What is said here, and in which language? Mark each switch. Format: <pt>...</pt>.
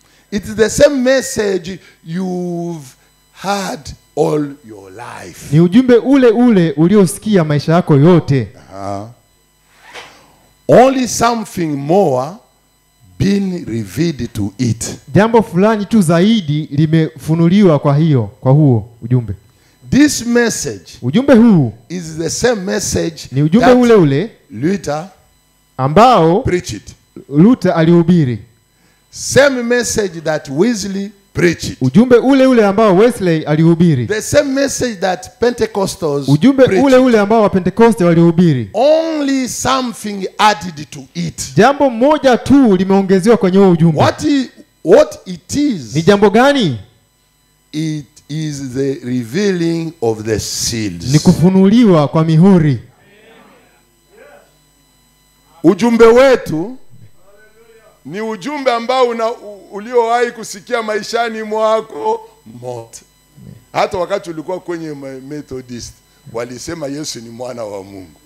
<en>It's the same message you've had all your life.</en> <sw>Ni ujumbe ule ule uliosikia maisha yako yote.</sw> <en>Only something more been revealed to it.</en> <sw>Jambo fulani tu zaidi limefunuliwa kwa hiyo, kwa huo ujumbe.</sw> <en>This message,</en> <sw>ujumbe huu,</sw> <en>is the same message.</en> <sw>Ni ujumbe ule ule</sw> <en>Luther</en> <sw>ambao</sw> <en>preached.</en> <sw>Luther alihubiri.</sw> <en>Same message that Wesley preached.</en> <sw>Ujumbe ule ule ambao Wesley alihubiri.</sw> <en>The same message that Pentecostals.</en> <sw>Ujumbe</sw> <en>preached.</en> <sw>Ule ule ambao Pentecostals walihubiri.</sw> <en>Only something added to it.</en> <sw>Jambo moja tu limeongezewa kwenye ujumbe.</sw> <en>What it is?</en> <sw>Ni jambo gani?</sw> <en>It is the revealing of the seals.</en> <sw>Ni kufunuliwa kwa mihuri. Ujumbe wetu ni ujumbe ambao uliowahi kusikia maishani mwako mote. Hata wakati ulikuwa kwenye Methodist, walisema Yesu ni mwana wa Mungu.</sw>